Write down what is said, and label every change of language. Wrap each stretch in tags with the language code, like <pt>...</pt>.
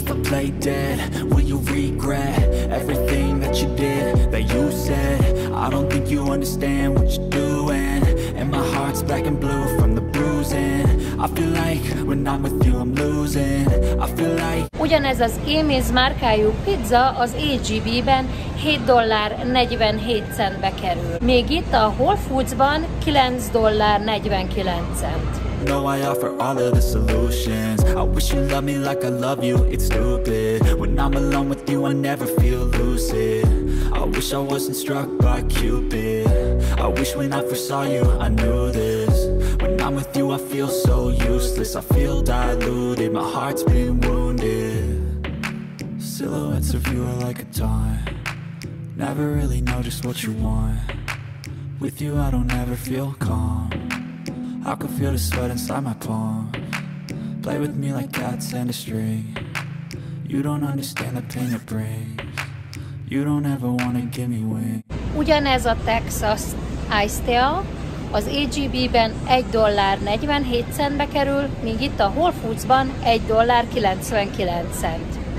<en>Lay dead, will you regret everything that you did, that you said? I don't think you understand what you're doing. And my heart's black and blue from the bruising. I feel like when I'm with you I'm losing. I feel like...</en> <hu>Ugyanez az Amy's márkájú pizza az AGB-ben 7 dollár 47 centbe kerül. Még itt a Whole Foods-ban 9 dollár 49 cent.</hu> <en>No, I offer all of the solutions. I wish you loved me like I love you, it's stupid. When I'm alone with you, I never feel lucid. I wish I wasn't struck by Cupid. I wish when I first saw you, I knew this. When I'm with you, I feel so useless. I feel diluted, my heart's been wounded. Silhouettes of you are like a taunt. Never really know just what you want. With you, I don't ever feel calm. I can feel the sweat inside my palm. Play with me like cats and a string. You don't understand the pain it brings. You don't ever wanna give me wings.</en> <hu>Ugyanez a Texas Ice Tea az AGB-ben 1 dollár 47 centbe kerül, míg itt a Whole Foods-ban 1 dollár 99 cent.</hu>